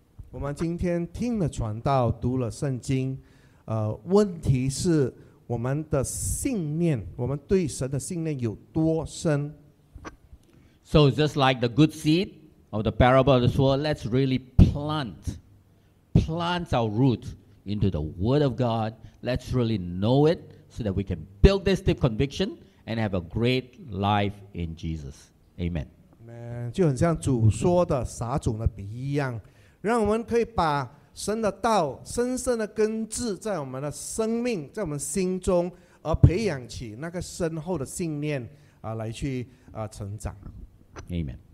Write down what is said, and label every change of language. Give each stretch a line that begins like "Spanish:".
Chinese: 我们今天听了传道，读了圣经，问题是我们的信念，我们对神的信念有多深
English: ？So just like the good seed of the parable of the sower, let's really plant our root into the Word of God. Let's really know it so that we can build this deep conviction and have a great life in Jesus. Amen.
Chinese: 就很像主说的撒种的比喻一样。让我们可以把神的道深深的根植在我们的生命，在我们心中，而培养起那个深厚的信念来去成长。
English: Amen.